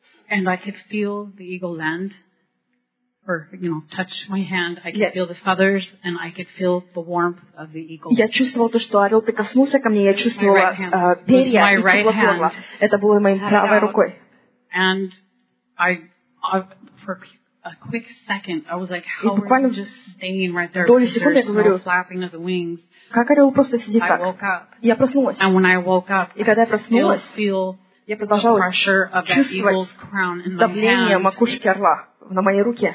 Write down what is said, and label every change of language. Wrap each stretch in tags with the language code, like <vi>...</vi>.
<en>And I could feel the eagle land, or you know, touch my hand. I could feel the feathers, and I could feel the warmth of the eagle.</en> <ru>Я чувствовала то, что орел прикоснулся ко мне. Я чувствовала перья и тепло орла. Это было моей правой рукой.</ru> <en>And a quick second, I was like, how are you just staying right there?</en> <ru>Долю секунды я говорю,</ru> <en>flapping of the wings.</en> <ru>Как орел просто сидит так? Я проснулась.</ru> <en>And when I woke up,</en> <ru>и когда я проснулась, я продолжала чувствовать давление макушки орла на моей руке.</ru>